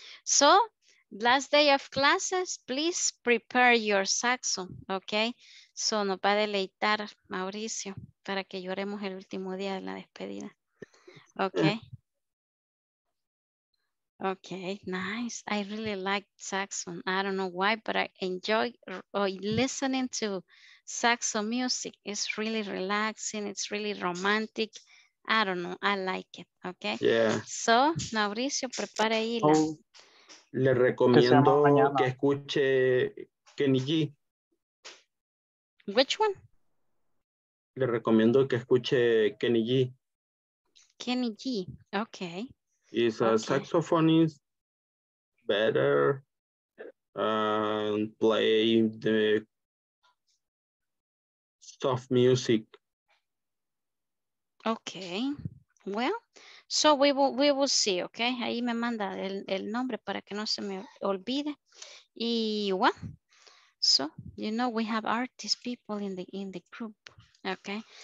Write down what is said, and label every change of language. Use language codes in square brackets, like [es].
[en] So last day of classes, please prepare your saxo, okay? [es] So nos va a deleitar Mauricio para que lloremos el último día de la despedida. [en] Okay. Okay, nice. I really like saxophone. I don't know why, but I enjoy listening to saxophone music. It's really relaxing. It's really romantic. I don't know. I like it. Okay. Yeah. So, Mauricio, prepare ahí. [es] Le recomiendo que escuche Kenny G. [en] Which one? [es] Le recomiendo que escuche Kenny G. [en] Kenny G. Okay. Is a saxophonist better and play the soft music. Okay. Well, So we will see, okay? [es] Ahí me manda el nombre para que no se me olvide. [en] Y what? So, you know, we have artist people in the group, okay?